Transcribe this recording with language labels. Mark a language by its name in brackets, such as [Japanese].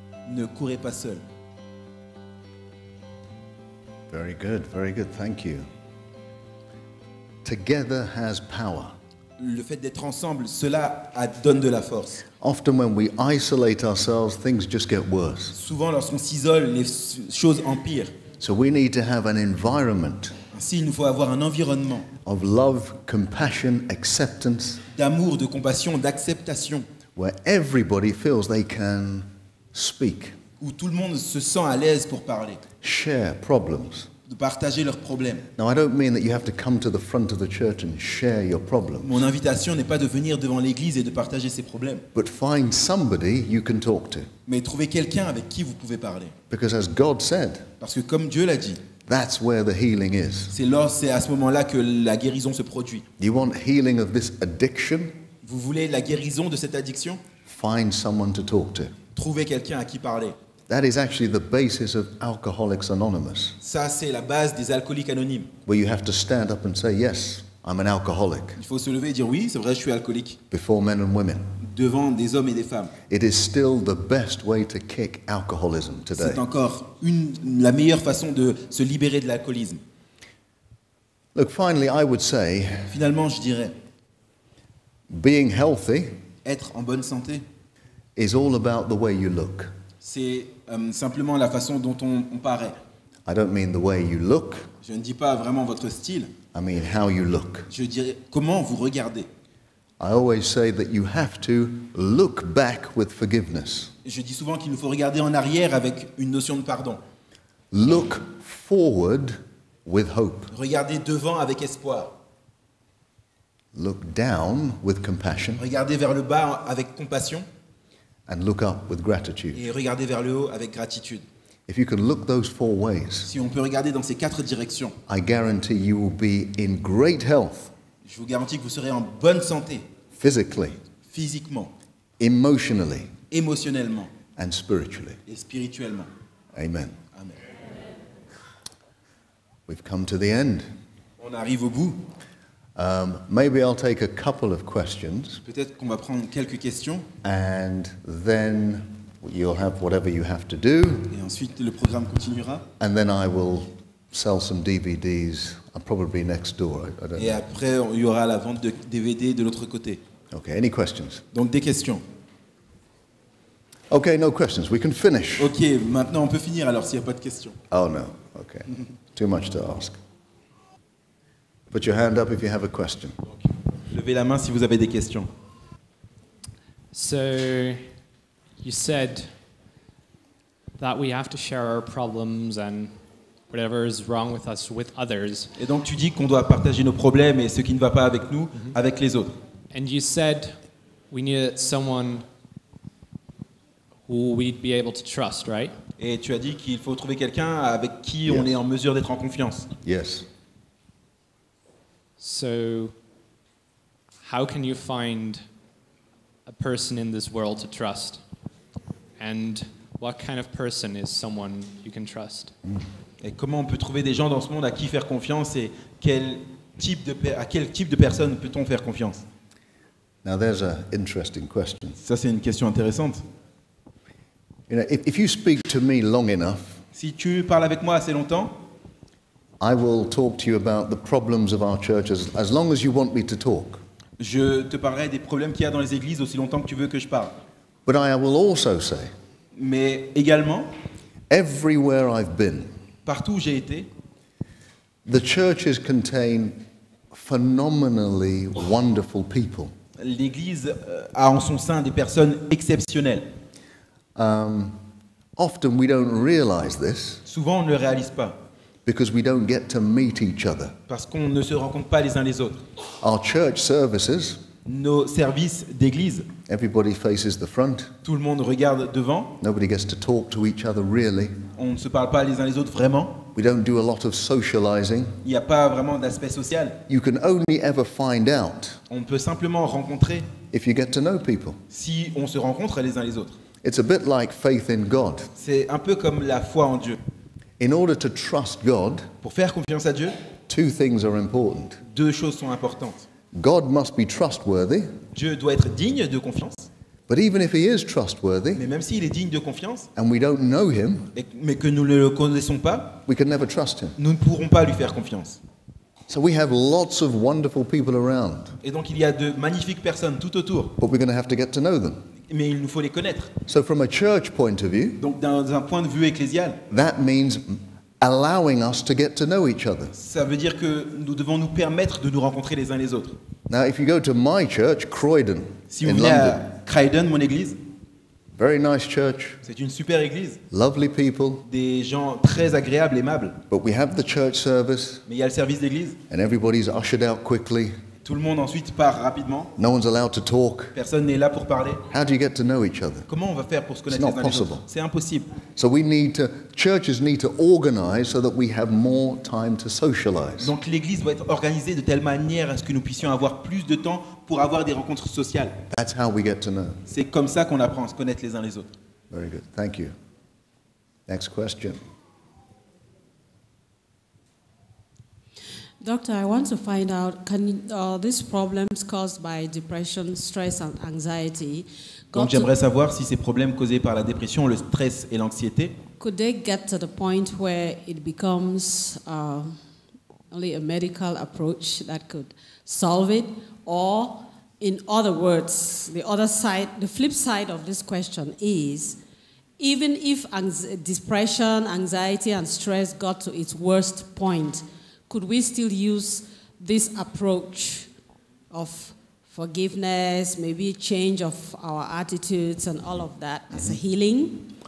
[French] Ne courez pas seul. [English] Very good, very good. Thank you. Together has power. [French] Le fait d'être ensemble, cela donne de la force. [English] Often when we isolate ourselves, things just get worse. [French] Souvent, lorsqu'on s'isole, les choses empirent. [English] So we need to have an environment. [French] Ainsi, il nous faut avoir un environnement. [English] Of love, compassion, acceptance. [French] D'amour, de compassion, d'acceptation. [English] Where everybody feels they can speak. [French] Où tout le monde se sent à l'aise pour parler. [English] Share problems. [French] De partager leurs problèmes. [English] Now I don't mean that you have to come to the front of the church and share your problems. [French] Mon invitation n'est pas de venir devant l'église et de partager ses problèmes. [English] But find somebody you can talk to. [French] Mais trouver quelqu'un avec qui vous pouvez parler. [English] Because as God said. [French] Parce que comme Dieu l'a dit. [English] That's where the healing is. [French] C'est à ce moment-là que la guérison se produit. [English] You want healing of this addiction? [French] Vous voulez la guérison de cette addiction? [English] Find someone to talk to. [French] Trouvez quelqu'un à qui parler. [English] That is actually the basis of Alcoholics Anonymous. [French] Ça, c'est la base des Alcooliques Anonymes. [English] Where you have to stand up and say, yes, I'm an alcoholic. [French] Il faut se lever et dire, oui, c'est vrai, je suis alcoolique. [English] Before men and women. [French] Devant des hommes et des femmes. [English] It is still the best way to kick alcoholism today. [French] C'est encore la meilleure façon de se libérer de l'alcoolisme. [English] Look, finally, I would say, [French] finalement, je dirais, [English] being healthy, [French] être en bonne santé, [English] is all about the way you look. [French] C'est simplement la façon dont on paraît. [English] I don't mean the way you look. [French] Je ne dis pas vraiment votre style. [English] I mean how you look. [French] Je dirais comment vous regardez. [English] I always say that you have to look back with forgiveness. [French] Je dis souvent qu'il nous faut regarder en arrière avec une notion de pardon. [English] Look forward with hope. [French] Regardez devant avec espoir. [English] Look down with compassion. [French] Regardez vers le bas avec compassion. [English] And look up with gratitude. [French] Et regardez vers le haut avec gratitude. [English] If you can look those four ways, [French] si on peut regarder dans ces quatre directions, [English] I guarantee you will be in great health. [French] Je vous garantis que vous serez en bonne santé. [English] Physically. [French] Physiquement. [English] Emotionally. [French] Émotionnellement. [English] And spiritually. [French] Et spirituellement. [English] Amen. [French] Amen. [English] We've come to the end. [French] On arrive au bout. [English] Maybe I'll take a couple of questions. [French] Peut-être qu'on va prendre quelques questions. [English] And then you'll have whatever you have to do. [French] Et ensuite, le programme continuera. [English] And then I will sell some DVDs, probably next door. [French] Et après, il y aura la vente de DVD de l'autre côté. [English] Okay, any questions? [French] Donc, des questions. [English] Okay, no questions. We can finish. [French] Okay, maintenant, on peut finir alors s'il n'y a pas de questions. [English] Oh, no. Okay. Too much to ask. Put your hand up if you have a question. Okay. [French] Levez la main si vous avez des questions. [English] So, you said that we have to share our problems and whatever is wrong with us with others. [French] Et donc tu dis qu'on doit partager nos problèmes et ce qui ne va pas avec nous avec les autres. [English] And you said we need someone who we'd be able to trust, right? [French] Et tu as dit qu'il faut trouver quelqu'un avec qui [English] yes. [French] on est en mesure d'être en confiance. [English] Yes. So how can you find a person in this world to trust? And what kind of person is someone you can trust? [French] Et comment on peut trouver des gens dans ce monde à qui faire confiance et à quel type de personne peut-on faire confiance? [English] Now there's an interesting question. [French] Ça c'est une question intéressante. [English] You know, if you speak to me long enough, [French] si tu parles avec moi assez longtemps, [English] I will talk to you about the problems of our church as long as you want me to talk. [French] Je te parlerai des problèmes qu'il y a dans les églises aussi longtemps que tu veux que je parle. [English] But I will also say, [French] mais également, [English] everywhere I've been, [French] partout où j'ai été, [English] the churches contain phenomenally wonderful people. [French] L'église a en son sein des personnes exceptionnelles. [English] Often we don't realize this. [French] Souvent on ne le réalise pas. [English] Because we don't get to meet each other. [French] Parce qu'on ne se rencontre pas les uns les autres. [English] Our church services. [French] Nos services d'église. [English] Everybody faces the front. [French] Tout le monde regarde devant. [English] Nobody gets to talk to each other really. [French] On ne se parle pas les uns les autres vraiment. [English] We don't do a lot of socializing. [French] Il n'y a pas vraiment d'aspect social. [English] You can only ever find out. [French] On peut simplement rencontrer. [English] If you get to know people. [French] Si on se rencontre les uns les autres. [English] It's a bit like faith in God. [French] C'est un peu comme la foi en Dieu. [English] In order to trust God. [French] Pour faire confiance à Dieu. [English] Two things are important. [French] Deux choses sont importantes. [English] God must be trustworthy. [French] Dieu doit être digne de confiance. [English] But even if he is trustworthy, [French] mais même s'il est digne de confiance, [English] and we don't know him, [French] mais que nous ne le connaissons pas, [English] we can never trust him. [French] Nous ne pourrons pas lui faire confiance. [English] So we have lots of wonderful people around. [French] Et donc il y a de magnifiques personnes tout autour. [English] But we're going to have to get to know them. [French] Mais il nous faut les connaître. [English] So from a church point of view, [French] donc d'un point de vue ecclésial, [English] that means allowing us to get to know each other. [French] Ça veut dire que nous devons nous permettre de nous rencontrer les uns les autres. [English] Now, if you go to my church, Croydon, [French] si vous venez [English] in London, [French] à Croydon, mon église, [English] very nice church. [French] C'est une super église. [English] Lovely people. [French] Des gens très agréables, aimables. [English] But we have the church service. [French] Mais il y a le service d'église. [English] And everybody's ushered out quickly. [French] Tout le monde ensuite part rapidement. [English] No one's allowed to talk. [French] Personne n'est là pour parler. [English] How do you get to know each other? [French] Comment on va faire pour se connaître les uns possible. Les autres? C'est impossible. [English] So we need to, churches need to organize so that we have more time to socialize. [French] Donc l'église doit être organisée de telle manière à ce que nous puissions avoir plus de temps pour avoir des rencontres sociales. [English] That's how we get to know. [French] C'est comme ça qu'on apprend à se connaître les uns les autres. [English] Very good. Thank you. Next question. Doctor, I want to find out, can these problems caused by depression, stress and anxiety [French] donc j'aimerais savoir si ces problèmes causés par la dépression, le stress et l'anxiété [English] could they get to the point where it becomes only a medical approach that could solve it, or In other words, the other side, the flip side of this question is, even if depression, anxiety, and stress got to its worst point, could we still use this approach of forgiveness, maybe change of our attitudes and all of that as a healing?